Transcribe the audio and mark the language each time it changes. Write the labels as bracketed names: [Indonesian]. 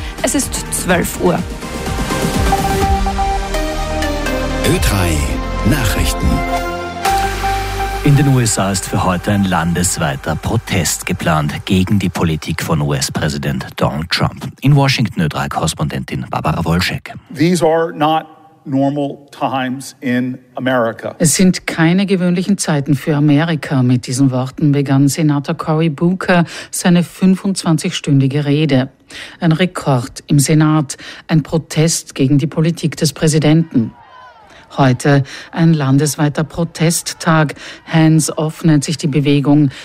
[German] Es ist 12 Uhr. Ö3 Nachrichten. In den USA ist für heute ein landesweiter Protest geplant gegen die Politik von US-Präsident Donald Trump. In Washington Ö3-Korrespondentin Barbara Wolschek. [English] These are not normal times in America. [German] Es sind keine gewöhnlichen Zeiten für Amerika. Mit diesen Worten begann Senator Cory Booker seine 25-stündige Rede. Ein Rekord im Senat, ein Protest gegen die Politik des Präsidenten. Heute ein landesweiter Protesttag. Hands off nennt sich die Bewegung.